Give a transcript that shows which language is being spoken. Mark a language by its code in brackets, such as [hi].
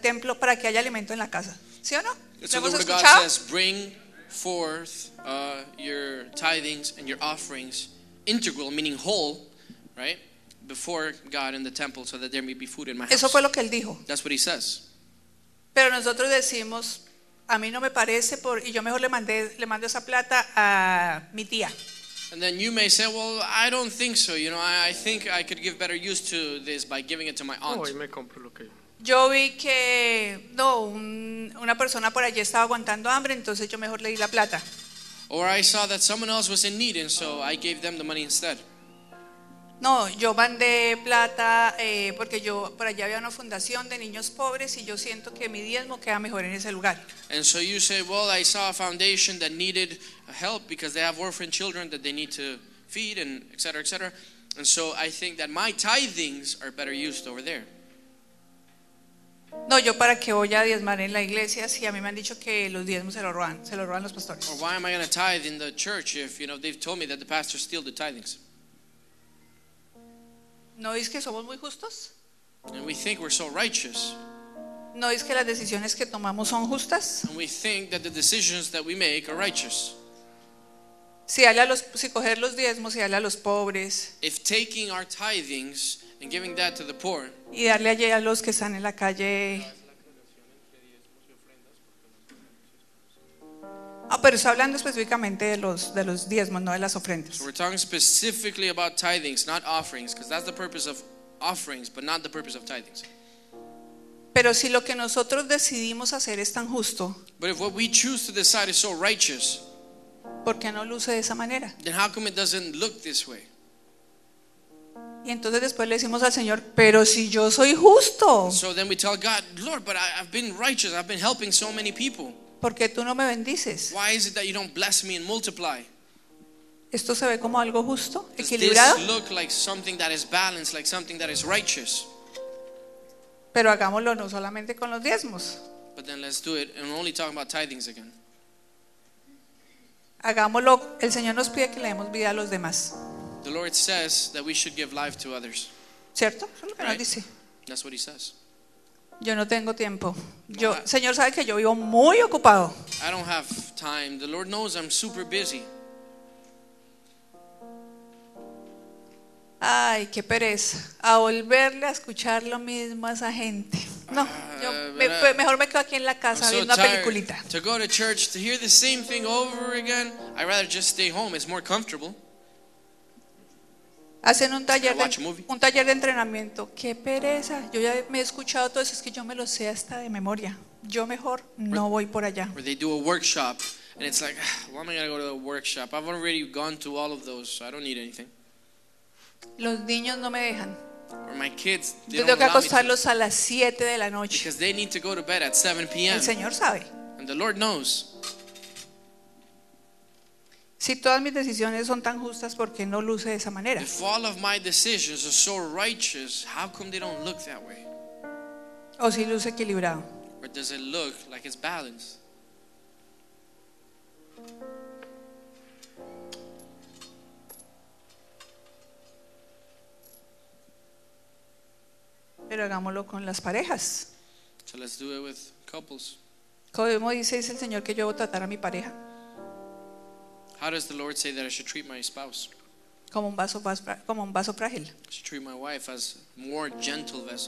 [es] templo para que haya alimento en la casa, ¿sí o no? [en] So the word of God says, bring forth your tithings and your offerings, integral, meaning whole, right? Before God in the temple, so that there may be food in my house. [es] Eso fue lo que él dijo. [en] That's what he says. [es] Pero nosotros decimos, a mí no me parece, y yo mejor le mandé esa plata a mi tía. [en] And then you may say, well, I don't think so. You know, I think I could give better use to this by giving it to my aunt. [es] Oh, y me compro lo que yo vi que no, una persona por allí estaba aguantando hambre, entonces yo mejor le di la plata. [en] Or I saw that someone else was in need, and so I gave them the money instead. [es] No, yo mandé plata porque yo por allá había una fundación de niños pobres y yo siento que mi diezmo queda mejor en ese lugar. [en] And so you say, well, I saw a foundation that needed help because they have orphan children that they need to feed and et cetera, et cetera. And so I think that my tithings are better used over there. [es] No, yo para qué voy a diezmar en la iglesia si a mí me han dicho que los diezmos se lo roban los pastores. [en] Or why am I going to tithe in the church if, you know, they've told me that the pastors steal the tithings? [es] ¿No es que somos muy justos? [en] And we think we're so righteous. [es] ¿No es que las decisiones que tomamos son justas? [en] And we think that the decisions that we make are righteous. [es] Si coger los diezmos y darle a los pobres. [en] If taking our tithings and giving that to the poor. [es] Y darle allí a los que están en la calle. Ah, pero está hablando específicamente de los diezmos, no de las ofrendas. [en] So we're talking specifically about tithings, not offerings, because that's the purpose of offerings, but not the purpose of tithings. [es] Pero si lo que nosotros decidimos hacer es tan justo, [en] but if what we choose to decide is so righteous, [es] ¿por qué no luce de esa manera? [en] Then how come it doesn't look this way? [es] Y entonces después le decimos al Señor, pero si yo soy justo. [en] So then we tell God, Lord, but I've been righteous, I've been helping so many people. [es] Porque tú no me bendices. [en] Why is it that you don't bless me and multiply? [es] ¿Esto se ve como algo justo, equilibrado? [en] Does this look like something that is balanced, like something that is righteous? [es] Pero hagámoslo no solamente con los diezmos. [en] But then let's do it, and we're only talking about tithings again. [es] Hagámoslo. El Señor nos pide que le demos vida a los demás. [en] The Lord says that we should give life to others. [es] ¿Cierto? Eso es lo que nos dice. [en] That's what He says. [es] Yo no tengo tiempo. Yo, Señor sabe que yo vivo muy ocupado. [en] I don't have time. The Lord knows I'm super busy. [es] Ay, qué pereza. A volverle a escuchar lo mismo a esa gente. No, yo mejor me quedo aquí en la casa [en] I'm [es] viendo [en] so [es] una peliculita. [en] To go to church to hear the same thing over again. I'd rather just stay home. It's more comfortable. [es] Hacen un taller de entrenamiento. Qué pereza. Yo ya me he escuchado todo eso, es que yo me lo sé hasta de memoria. yo mejor no voy por allá. [en] Where they do a workshop, and it's like, why am I going to go to the workshop? I've already gone to all of those, so I don't need anything. [es] Los niños no me dejan. [en] Or my kids, [es] yo tengo que acostarlos a las 7 de la noche. [en] Because they need to go to bed at 7 p.m. [es] El Señor sabe. [en] And the Lord knows. [es] Si todas mis decisiones son tan justas, ¿por qué no luce de esa manera? [en] If all of my decisions are so righteous, how come they don't look that way? [es] O si luce equilibrado. [en] Or does it look like it's balanced? [es] Pero hagámoslo con las parejas. [en] So let's do it with couples. [es] Como dice el Señor que yo voy a tratar a mi pareja. [en] How does the Lord say that I should treat my spouse? [es] Como un vaso, como un vaso frágil. [en] I should treat my wife as more gentle vessel.